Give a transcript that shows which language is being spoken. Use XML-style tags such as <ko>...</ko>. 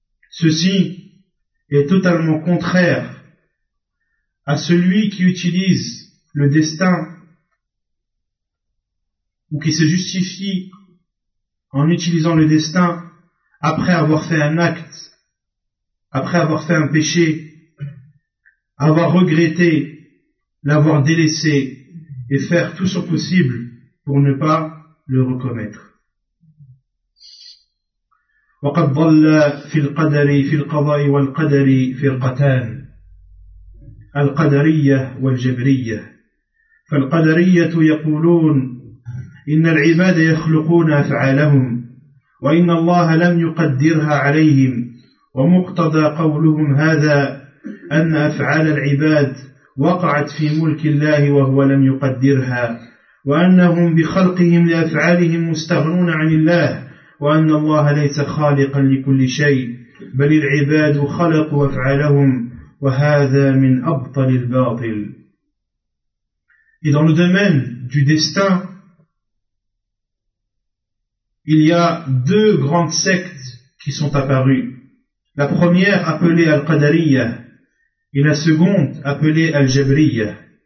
<fr>Ceci est totalement contraire à celui qui utilise le destin ou qui se justifie en utilisant le destin après avoir fait un acte, après avoir fait un péché, avoir regretté, l'avoir délaissé et faire tout son possible pour ne pas le recommettre.</fr> <ar>وقد ضل في القدر في القضاء والقدر فرقتان القدرية والجبرية. فالقدرية يقولون إن العباد يخلقون أفعالهم وإن الله لم يقدرها عليهم ومقتضى قولهم هذا أن أفعال العباد وقعت في ملك الله وهو لم يقدرها وأنهم بخلقهم لأفعالهم مستغنون عن الله وأن الله ليس خالقا لكل شيء بل العباد خلقوا أفعالهم وهذا من أبطل الباطل.</ar> <fr>Et dans le domaine du destin, il y a deux grandes sectes qui sont apparues. La première appelée Al-Qadariyah et la seconde appelée Al-Jabriyah.</fr>